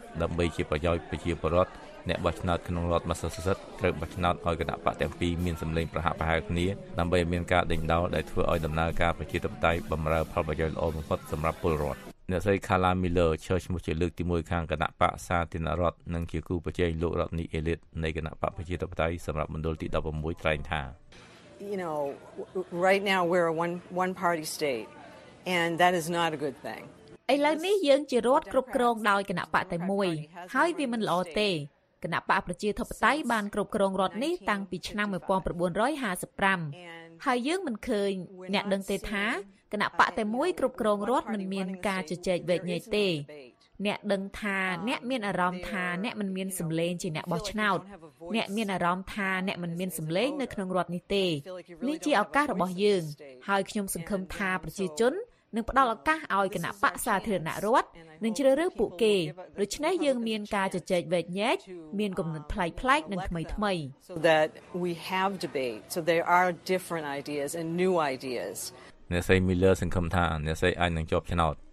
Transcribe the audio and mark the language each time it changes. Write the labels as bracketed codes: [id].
[km] ដើម្បីជាប្រយោជន៍ប្រជាពលរដ្ឋអ្នកបោះឆ្នោតក្នុងរដ្ឋ Massachusetts ត្រូវបោះឆ្នោតឲ្យគណៈបក្សទាំងពីរមានសម្លេងប្រហាក់ប្រហែលគ្នាដើម្បីឲ្យមានការដេញដោលដែលធ្វើឲ្យដំណើរការប្រជាធិបតេយ្យបម្រើផលប្រយោជន៍ល្អបំផុតសម្រាប់ពលរដ្ឋអ្នកស្រី Carla Miller ឈរឈ្មោះជាលើកទី1ខាងគណៈបក្សសាធារណរដ្ឋនិងជាគូប្រជែងលោករ៉តនី អេលីតនៃគណៈបក្សប្រជាធិបតេយ្យសម្រាប់មណ្ឌលទី16ត្រែងថា [en] You know right now we're a one party state. And that is not a good thing. [km] ឥឡូវនេះយើងជារដ្ឋគ្រប់គ្រងដោយគណៈបកតែមួយហើយវាមិនល្អទេ។គណៈបកប្រជាធិបតេយ្យបានគ្រប់គ្រងរដ្ឋនេះតាំងពីឆ្នាំ1955ហើយយើងមិនឃើញអ្នកដឹងទេថាគណៈបកតែមួយគ្រប់គ្រងរដ្ឋមិនមានការជជែកវែកញែកទេ ។អ្នកដឹងថាអ្នកមានអារម្មណ៍ថាអ្នកមិនមានសម្លេងជាអ្នកបោះឆ្នោតអ្នកមានអារម្មណ៍ថាអ្នកមិនមានសម្លេងនៅក្នុងរដ្ឋនេះទេ។នេះជាឱកាសរបស់យើងហើយខ្ញុំសង្ឃឹមថាប្រជាជននឹងផ្ដល់ឱកាសឲ្យគណៈបក្សសាធារណរដ្ឋនឹងជ្រើសរើសពួកគេដូច្នេះយើងមានការជជែកវែកញែកមានគំនិតផ្លែកផ្លែកនិងថ្មីថ្មី [en] So that we have debate so there are different ideas and new ideas [km] អ្នកស្រី Miller សង្ឃឹមថាអ្នកស្រីអាចនឹងជាប់ឆ្នោត